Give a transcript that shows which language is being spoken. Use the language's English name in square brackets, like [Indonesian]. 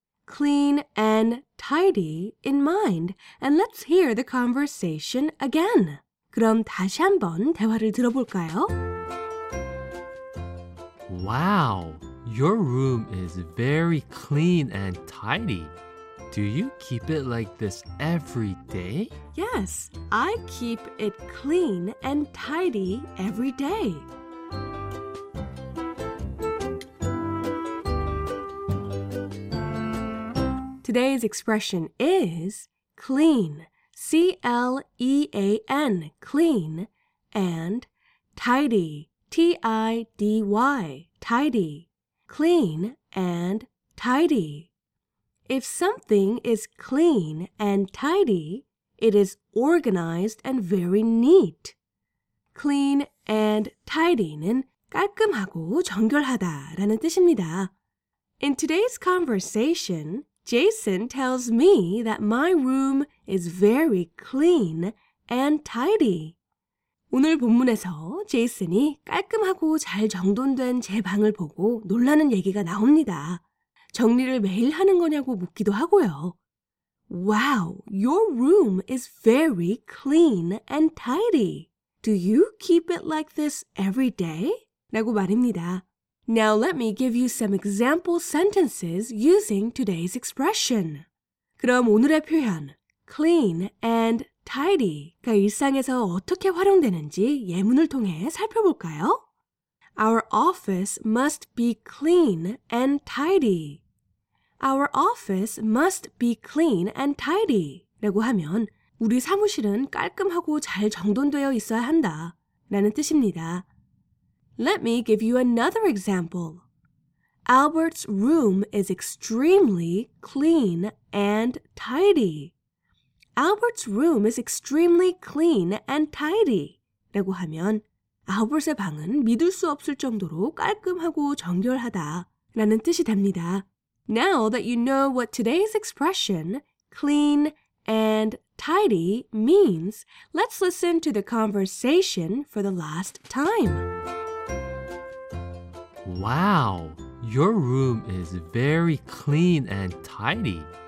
[English] Clean and tidy in mind, and let's hear the conversation again. [Korean] 그럼 다시 한번 대화를 들어볼까요? [English] Wow, your room is very clean and tidy. Do you keep it like this every day? Yes, I keep it clean and tidy every day. [Korean] 오늘의 [English] expression is clean, C-L-E-A-N, clean, and tidy, T-I-D-Y, tidy, clean and tidy. If something is clean and tidy, it is organized and very neat. Clean and tidy [Korean] 는 깔끔하고 정결하다라는 뜻입니다. [English] In today's conversation, Jason tells me that my room is very clean and tidy. [Korean] 오늘 본문에서 제이슨이 깔끔하고 잘 정돈된 제 방을 보고 놀라는 얘기가 나옵니다. 정리를 매일 하는 거냐고 묻기도 하고요. [English] Wow, your room is very clean and tidy. Do you keep it like this every day? [Korean] 라고 말입니다. [English] Now let me give you some example sentences using today's expression. [Korean] 그럼 오늘의 표현, [English] clean and [Korean] tidy가 일상에서 어떻게 활용되는지 예문을 통해 살펴볼까요? [English] Our office must be clean and tidy. Our office must be clean and tidy. [Korean] 라고 하면 우리 사무실은 깔끔하고 잘 정돈되어 있어야 한다 라는 뜻입니다. [English] Let me give you another example. Albert's room is extremely clean and tidy. Albert's room is extremely clean and tidy. [Korean] 라고 하면 Albert's 방은 믿을 수 없을 정도로 깔끔하고 정결하다 라는 뜻이 됩니다. [English] Now that you know what today's expression, clean and tidy, means, let's listen to the conversation for the last time. Wow, your room is very clean and tidy.